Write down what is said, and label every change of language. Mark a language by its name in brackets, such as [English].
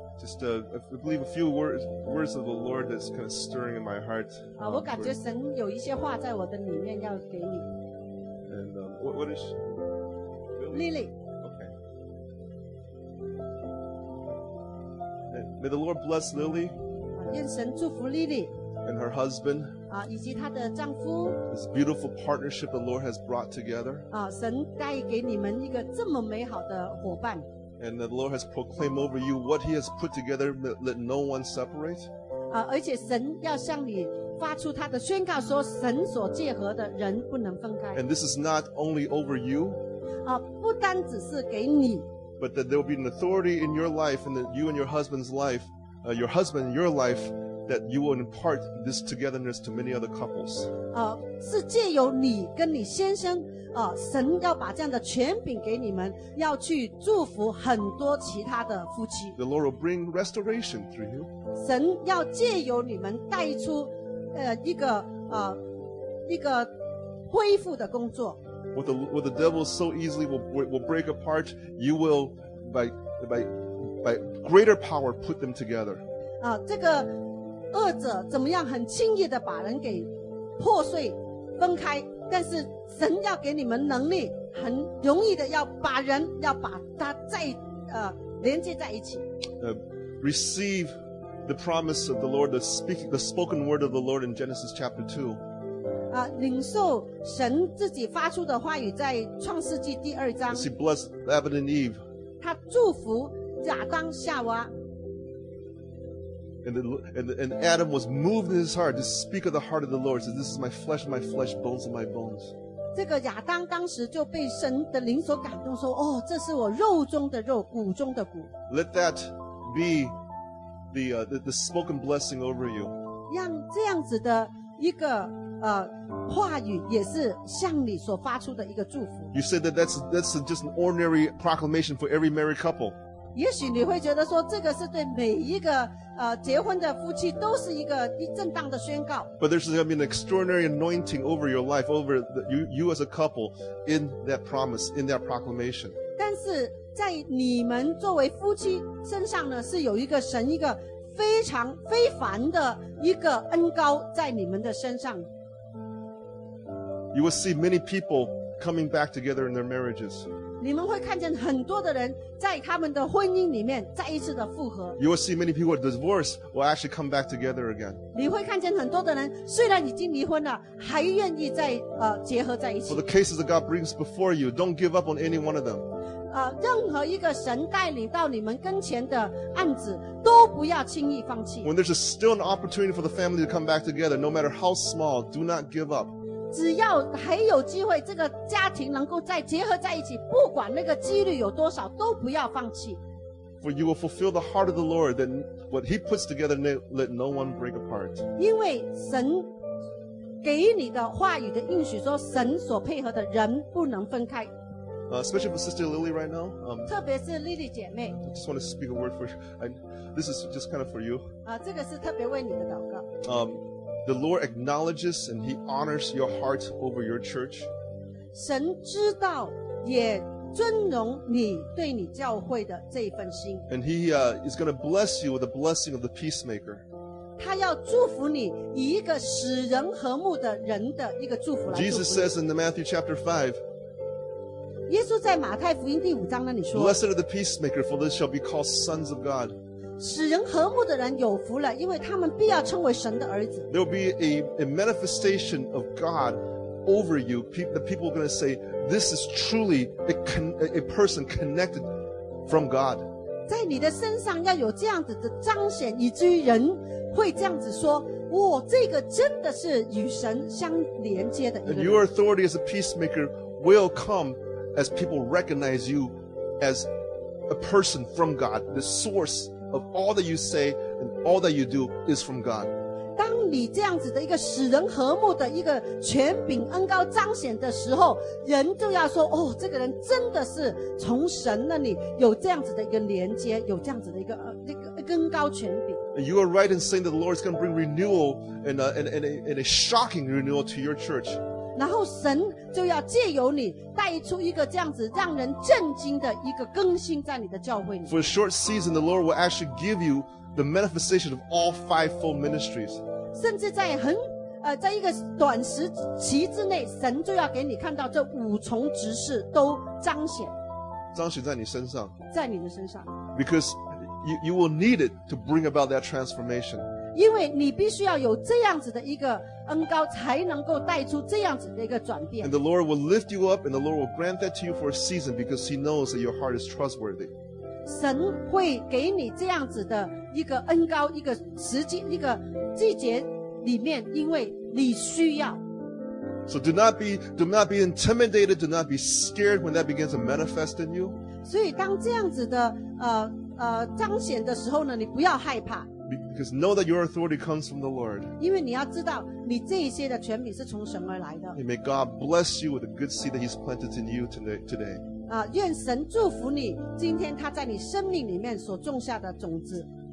[English] Just I believe a few words of the Lord that's kind of stirring in my heart. [Chinese] 我感觉神有一些话在我的里面要给你。 [English] And what is Lily? May the Lord bless Lily. [Chinese] 愿神祝福 Lily. [English] And her husband. [Chinese] 以及她的丈夫 [English] This beautiful partnership the Lord has brought together. [Chinese] 神带给你们一个这么美好的伙伴 [English] And the Lord has proclaimed over you what He has put together, let no one separate. [Chinese] 而且神要向你发出他的宣告，说神所结合的人不能分开 [English] And this is not only over you. [Chinese] 不单只是给你。 [English] But that there will be an authority in your life and that you and your husband's life, your husband and your life, that you will impart this togetherness to many other couples. [Chinese] 是借由你跟你先生，神要把这样的权柄给你们，要去祝福很多其他的夫妻。 [English] The Lord will bring restoration through you. [Chinese] 神要借由你们带出，一个恢复的工作。 [English] What the devil so easily will break apart, you will by greater power put them together. [Chinese] 这个恶者怎么样很轻易的把人给破碎分开，但是神要给你们能力，很容易的要把人要把他再连接在一起。 [English] Receive the promise of the Lord, the spoken word of the Lord in Genesis chapter 2. [Chinese] 领受神自己发出的话语在创世纪第二章 [English] He blessed Adam and Eve [Chinese] 他祝福亚当夏娃 [English] and Adam was moved in his heart to speak of the heart of the Lord says, this is my flesh, bones of my bones [Chinese] 这个亚当当时就被神的灵所感动说哦，这是我肉中的肉骨中的骨 [English] let that be the spoken blessing over you [Chinese] 让这样子的一个话语也是向你所发出的一个祝福 [English] You said that that's just an ordinary proclamation for every married couple [Chinese] 也许你会觉得说这个是对每一个结婚的夫妻都是一个正当的宣告 [English] But there's going to be an extraordinary anointing over your life over you as a couple in that promise, in that proclamation [Chinese] 但是在你们作为夫妻身上呢是有一个神一个非常非凡的一个恩膏在你们的身上 [English] You will see many people coming back together in their marriages [Chinese] 你们会看见很多的人在他们的婚姻里面再一次的复合 [English] You will see many people divorced will actually come back together again [Chinese] 你会看见很多的人虽然已经离婚了还愿意再结合在一起 [English] For the cases that God brings before you don't give up on any one of them [Chinese] 任何一个神带领到你们跟前的案子都不要轻易放弃 [English] When there's still an opportunity for the family to come back together no matter how small do not give up [Chinese] 只要还有机会这个家庭能够再结合在一起不管那个几率有多少都不要放弃 [English] For you will fulfill the heart of the Lord, that what He puts together, let no one break apart. Because [Chinese] God给你的话语的应许说，神所配合的人不能分开。 [English] Especially for Sister Lily right now. [Chinese] 特别是 Lily 姐妹。 [English] I just want to speak a word for you. This is just kind of for you. [Chinese] 这个是特别为你的祷告。 [English] The Lord acknowledges and He honors your heart over your church. [Chinese] 神知道也尊荣你对你教会的这一份心。 [English] And He is going to bless you with the blessing of the peacemaker. [Chinese] 他要祝福你以一个使人和睦的人的一个祝福来祝福你。 [English] Jesus says in the Matthew chapter 5, [Chinese] 耶稣在马太福音第五章那里说， [English] Blessed are the peacemaker, for they shall be called sons of God. [Chinese] 使人和睦的人有福了，因为他们必要称为神的儿子。 [English] There will be a manifestation of God over you. The people are going to say, this is truly a person connected from God. [Chinese] 在你的身上要有这样子的彰显，以至于人会这样子说，我这个真的是与神相连接的一个人。 [English] And your authority as a peacemaker will come as people recognize you as a person from God. The source of all that you say and all that you do is from God. [Chinese] 当你这样子的一个使人和睦的一个权柄恩膏彰显的时候，人就要说，哦，这个人真的是从神那里有这样子的一个连接，有这样子的一个恩膏权柄。 [English] You are right in saying that the Lord is going to bring renewal and a shocking renewal to your church. [Chinese] 然后神就要借由你带出一个这样子让人震惊的一个更新在你的教会里。 [English] For a short season, the Lord will actually give you the manifestation of all fivefold ministries. [Chinese] 甚至在很在一个短时期之内，神就要给你看到这五重职事都彰显在你身上，在你的身上。 [English] Because you will need it to bring about that transformation. [Chinese] 因为你必须要有这样子的一个恩膏，才能够带出这样子的一个转变。 [English] And the Lord will lift you up, and the Lord will grant that to you for a season, because He knows that your heart is trustworthy. [Chinese] 神会给你这样子的一个恩膏，一个时机，一个季节里面，因为你需要。 [English] So do not be intimidated, do not be scared when that begins to manifest in you. [Chinese] 所以当这样子的彰显的时候呢，你不要害怕。 [English] Because know that your authority comes from the Lord. [Chinese] 因为你要知道你这些的权柄是从神而来的。 [English] May God bless you with the good seed that He's planted in you today. [Chinese] 愿神祝福你今天他在你生命里面所种下的种子。